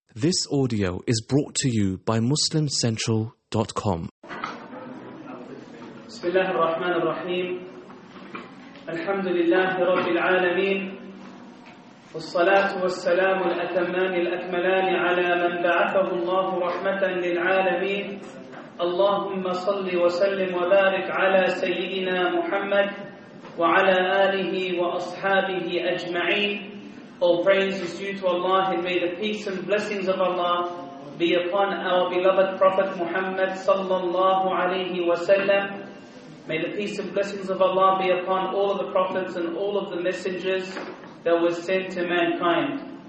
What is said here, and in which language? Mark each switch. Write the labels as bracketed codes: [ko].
[en] This audio is brought to you by MuslimCentral.com. [ar] بسم الله الرحمن الرحيم الحمد لله رب العالمين والصلاة والسلام الأتمان الأكملان على من بعثه الله رحمة للعالمين اللهم صل وسلم وبارك على سيدنا محمد وعلى آله وأصحابه أجمعين. [en] All praise is due to Allah, and may the peace and blessings of Allah be upon our beloved Prophet Muhammad sallallahu alayhi wa sallam. May the peace and blessings of Allah be upon all of the prophets and all of the messengers that were sent to mankind.